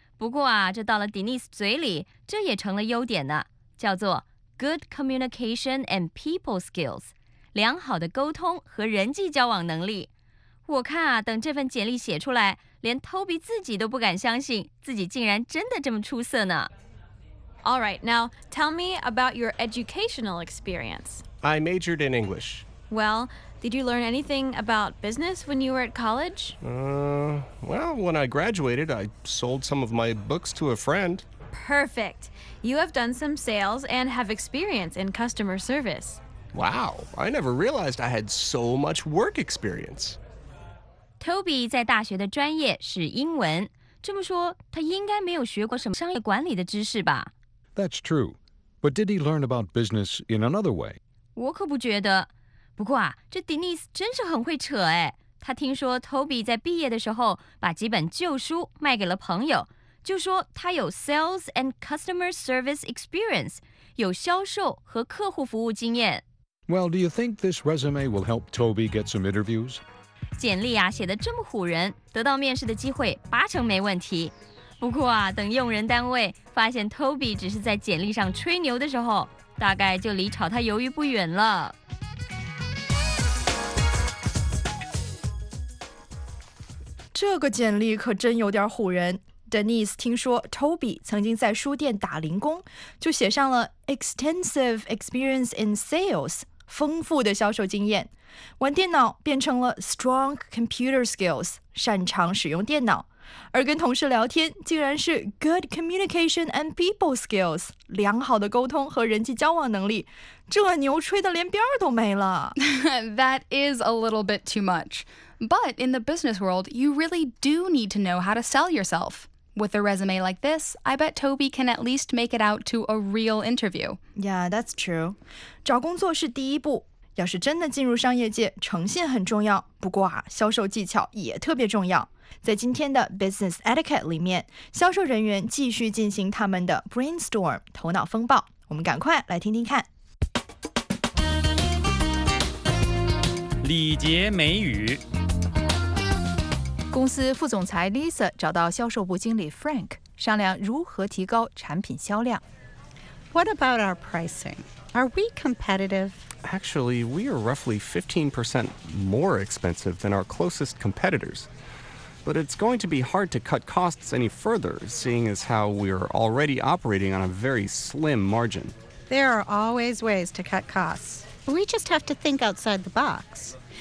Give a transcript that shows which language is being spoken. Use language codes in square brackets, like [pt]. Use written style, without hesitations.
[zh] 不过啊，这到了 Denise 嘴里，这也成了优点呢，叫做 [en] good communication and people skills， [zh] 良好的沟通和人际交往能力。我看啊，等这份简历写出来，连 Toby 自己都不敢相信自己竟然真的这么出色呢。 [en] All right, now tell me about your educational experience. I majored in English. Well, did you learn anything about business when you were at college? When I graduated, I sold some of my books to a friend. Perfect. You have done some sales and have experience in customer service. Wow, I never realized I had so much work experience. [zh] Toby 在大学的专业是英文，这么说，他应该没有学过什么商业管理的知识吧 [en] ？That's true, but did he learn about business in another way? [zh] 我可不觉得。不过啊，这 Denise 真是很会扯哎。他听说 Toby 在毕业的时候把几本旧书卖给了朋友，就说他有 [en] sales and customer service experience， [zh] 有销售和客户服务经验。 [en] Well, do you think this resume will help Toby get some interviews? [zh] 简历啊写得这么唬人，得到面试的机会八成没问题。不过啊，等用人单位发现 Toby 只是在简历上吹牛的时候，大概就离炒他鱿鱼不远了。这个简历可真有点唬人。Denise 听说 Toby 曾经在书店打零工，就写上了 [en] extensive experience in sales， [zh] 丰富的销售经验，玩电脑变成了 [en] strong computer skills， [zh] 擅长使用电脑，而跟同事聊天竟然是 [en] good communication and people skills， [zh] 良好的沟通和人际交往能力，这牛吹的连边儿都没了。 [en] That is a little bit too much. But in the business world, you really do need to know how to sell yourself. With a resume like this, I bet Toby can at least make it out to a real interview. Yeah, that's true. [zh] 找工作是第一步，要是真的进入商业界，诚信很重要。不过啊，销售技巧也特别重要。在今天的 Business Etiquette 里面，销售人员继续进行他们的 brainstorm 头脑风暴。我们赶快来听听看。礼节美语。公司副总裁 Lisa 找到销售部经理 Frank 商量如何提高产品销量。 [en] What about our pricing? Are we competitive? Actually, we are roughly 15% more expensive than our closest competitors. But it's going to be hard to cut costs any further, seeing as how we are already operating on a very slim margin. There are always ways to cut costs. We just have to think outside the box.